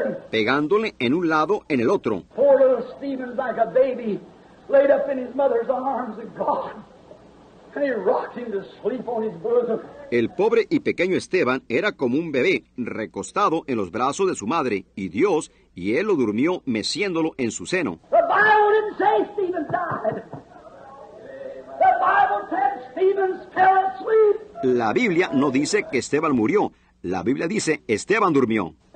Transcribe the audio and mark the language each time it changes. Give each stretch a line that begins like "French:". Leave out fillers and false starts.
Spanish: Pegándole en un lado, en el otro.
English: Poor little Stephen, like a baby, laid up in his mother's arms and gone. And he rocked him to sleep on his bosom.
Spanish: El pobre y pequeño Esteban era como un bebé recostado en los brazos de su madre y Dios, y él lo durmió meciéndolo en su seno.
English: The Bible didn't say Stephen died. The Bible said Stephen fell asleep.
Spanish: La Biblia no dice que Esteban murió. La Biblia dice, Esteban durmió.